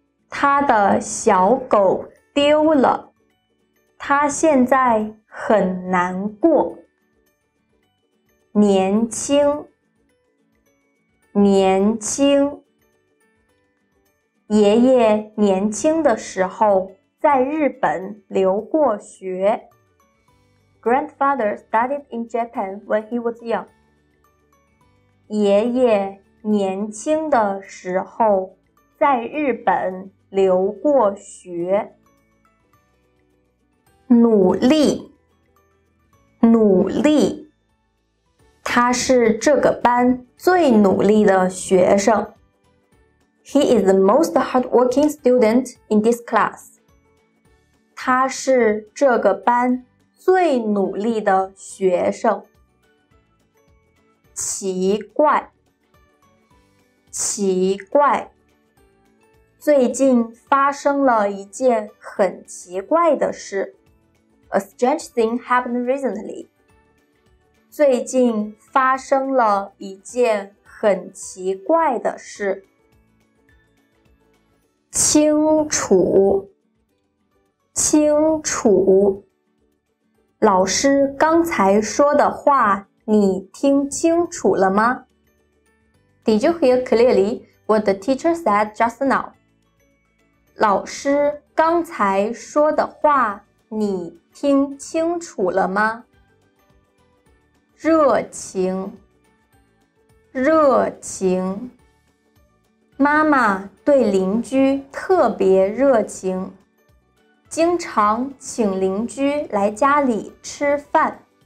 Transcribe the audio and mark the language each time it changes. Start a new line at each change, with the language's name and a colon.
Chinese: 他的小狗丢了，他现在很难过。年轻，年轻。爷爷年轻的时候在日本留过学。
English: Grandfather studied in Japan when he was young.
Chinese: 爷爷年轻的时候在日本留过学。努力，努力。他是这个班最努力的学生。
English: He is the most hardworking student in this class.
Chinese: 他是这个班最努力的学生。奇怪，奇怪。最近发生了一件很奇怪的事。
English: A strange thing happened recently.
Chinese: 最近发生了一件很奇怪的事。清楚，清楚。老师刚才说的话你听清楚了吗？
English: Did you hear clearly what the teacher said just now?
Chinese: 老师刚才说的话你听清楚了吗？热情，热情。妈妈对邻居特别热情，经常请邻居来家里吃饭。